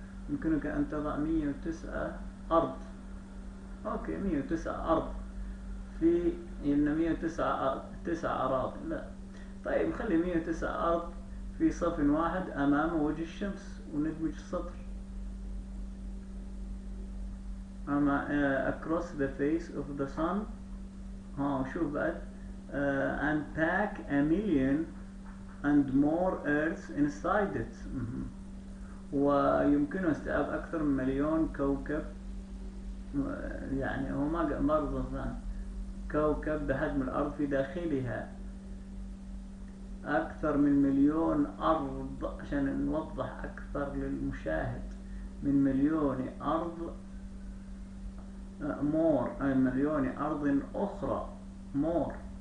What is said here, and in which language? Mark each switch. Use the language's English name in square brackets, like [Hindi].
[Arabic] يمكنك أن تضع 109 أرض، أوكي 109 أرض في، إن 109 أراضي، لا طيب خلي 109 أرض في صف واحد أمام وجه الشمس، وندمج السطر. أما [English] across the face of the sun. [Arabic] ها شو بعد؟ [English] and pack a million and more Earths inside it. [Arabic] ويمكنه استيعاب أكثر من مليون كوكب، يعني هو ما برضه فاهم، كوكب بحجم الأرض في داخلها، أكثر من مليون أرض، عشان نوضح أكثر للمشاهد، من مليون أرض مور، أي مليون أرض أخرى مور.